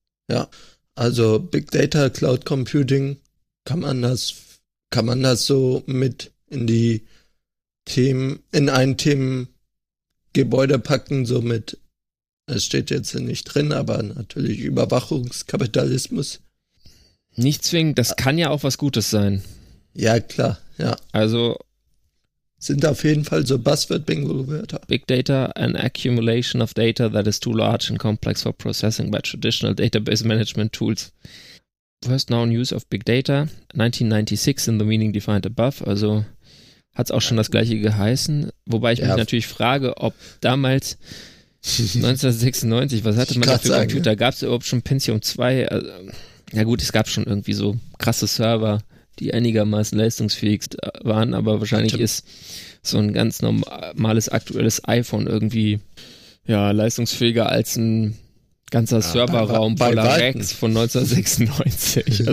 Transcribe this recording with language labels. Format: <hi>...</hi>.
<de>Ja, also Big Data, Cloud Computing, kann man das so mit in die Themen, in ein Themengebäude packen, so mit, es steht jetzt nicht drin, aber natürlich Überwachungskapitalismus. Nicht zwingend, das kann ja auch was Gutes sein. Ja, klar, ja. Also sind auf jeden Fall so Buzzword-Bingo-Wörter.</de> <en>Big Data, an accumulation of data that is too large and complex for processing by traditional database management tools. First known use of Big Data, 1996 in the meaning defined above.</en> <de>Also hat es auch schon das gleiche geheißen. Wobei ich mich natürlich frage, ob damals 1996, was hatte man da für Computer? Gab es überhaupt schon Pentium 2? Also, ja gut, es gab schon irgendwie so krasse Server, die einigermaßen leistungsfähig waren, aber wahrscheinlich ist so ein ganz normales, aktuelles iPhone irgendwie ja leistungsfähiger als ein ganzer Serverraum voller Racks von 1996.</de>